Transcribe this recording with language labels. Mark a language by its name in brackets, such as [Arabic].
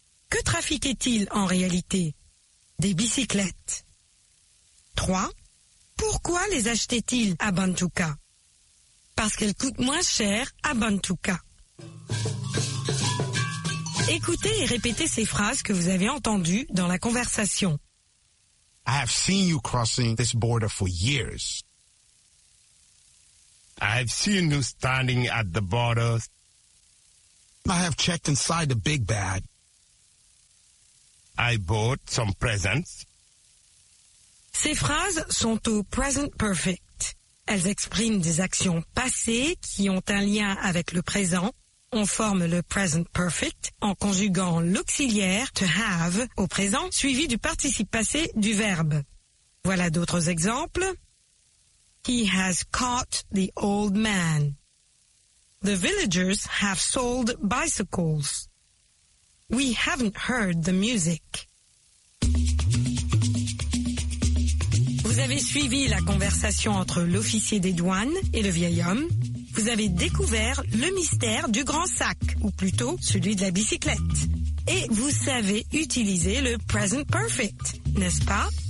[French] Que trafiquait-il en réalité? Des bicyclettes. 3. Pourquoi les achetait-il à Bantuka? Parce qu'elles coûtent moins cher à Bantuka. Écoutez et répétez ces phrases que vous avez entendues dans la conversation. [English] I have seen you crossing this border for years. I've seen you standing at the border. I have checked inside the big bag. I bought some presents. [French] Ces phrases sont au present perfect. Elles expriment des actions passées qui ont un lien avec le présent. On forme le present perfect en conjuguant l'auxiliaire to have au présent suivi du participe passé du verbe. Voilà d'autres exemples. [English] He has caught the old man. The villagers have sold bicycles. We haven't heard the music. [French] Vous avez suivi la conversation entre l'officier des douanes et le vieil homme. Vous avez découvert le mystère du grand sac, ou plutôt celui de la bicyclette. Et vous savez utiliser le present perfect, n'est-ce pas?